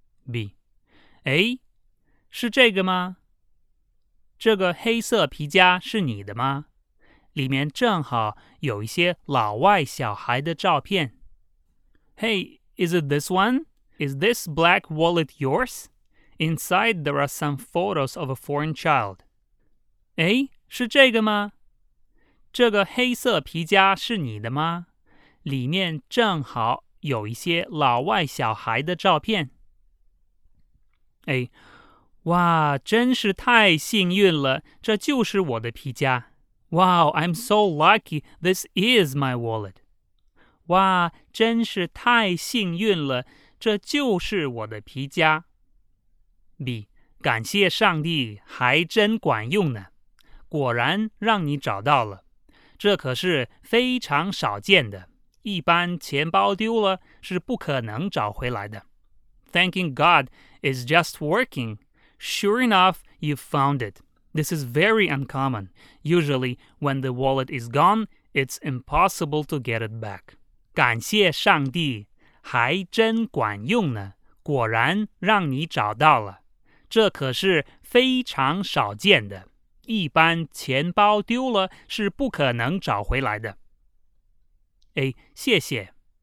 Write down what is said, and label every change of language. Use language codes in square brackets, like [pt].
[zh] B. 哎，是这个吗？这个黑色皮夹是你的吗？里面正好有一些老外小孩的照片。 [en] Hey, is it this one? Is this black wallet yours? Inside there are some photos of a foreign child. [zh] 哎，是这个吗？这个黑色皮夹是你的吗？里面正好有一些老外小孩的照片。哎，哇，真是太幸运了，这就是我的皮夹。 [en] Wow, I'm so lucky. This is my wallet. [zh] 哇，真是太幸运了，这就是我的皮夹。 B, 感谢上帝，还真管用呢。果然让你找到了，这可是非常少见的。一般钱包丢了是不可能找回来的。 [en] Thanking God is just working. Sure enough, you found it. This is very uncommon. Usually, when the wallet is gone, it's impossible to get it back. [zh] 感谢上帝，还真管用呢，果然让你找到了。这可是非常少见的，一般钱包丢了是不可能找回来的。哎，谢谢。